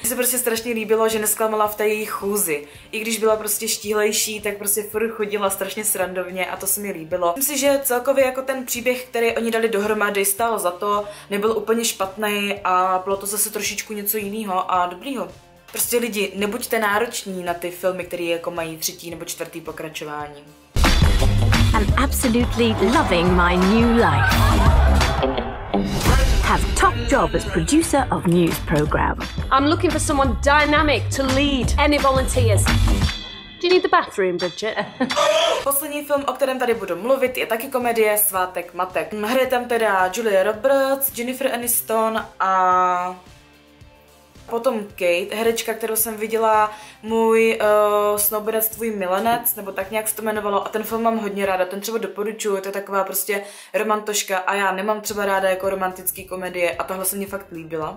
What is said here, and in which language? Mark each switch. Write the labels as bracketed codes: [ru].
[cs] Mně se prostě strašně líbilo, že nesklamala v té její chůzi. I když byla prostě štíhlejší, tak prostě furt chodila strašně srandovně a to se mi líbilo. Myslím si, že celkově jako ten příběh, který oni dali dohromady, stál za to, nebyl úplně špatný a bylo to zase trošičku něco jiného a dobrýho. Prostě lidi, nebuďte nároční na ty filmy, které jako mají třetí nebo čtvrtý pokračování. [en] I'm absolutely loving my new life. Have top job as producer of news program. I'm looking for someone dynamic to lead. Any volunteers? Do you need the bathroom, Bridget? [cs] Poslední film, o kterém tady budu mluvit, je taky komedie Svátek matek. Hraje tam teda Julia Roberts, Jennifer Aniston a potom Kate, herečka, kterou jsem viděla, můj snoubenec, tvůj milenec, nebo tak nějak se to jmenovalo, a ten film mám hodně ráda, ten třeba doporučuji, to je taková prostě romantoška a já nemám třeba ráda jako romantický komedie a tohle se mi fakt líbila.